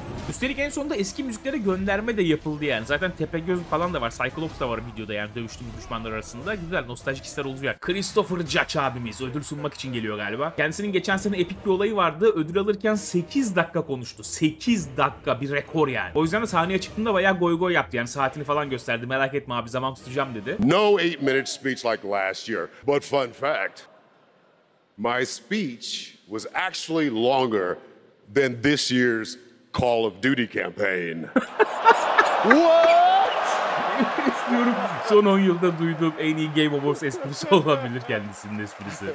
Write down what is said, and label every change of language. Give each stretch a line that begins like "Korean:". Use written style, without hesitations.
Turkish: Üstelik en sonunda eski müziklere gönderme de yapıldı yani. Zaten Tepegöz falan da var, Cyclops da var videoda yani dövüştüğümüz düşmanlar arasında. Güzel, nostaljik hisler olacak. Christopher Judge abimiz ödül sunmak için geliyor galiba. Kendisinin geçen sene epik bir olayı vardı. Ödül alırken 8 dakika konuştu. 8 dakika, bir rekor yani. O yüzden de sahneye çıktığında bayağı goy goy yaptı yani, saatini falan gösterdi. Merak etme abi, zaman tutacağım dedi.
English: No 8 minute speech like last year. But fun fact. My speech was actually longer than this year's Call of Duty campaign.
Turkish: What? İstiyorum. Son 10 yılda duyduğum en iyi Game Awards esprisi olabilir kendisinin esprisi.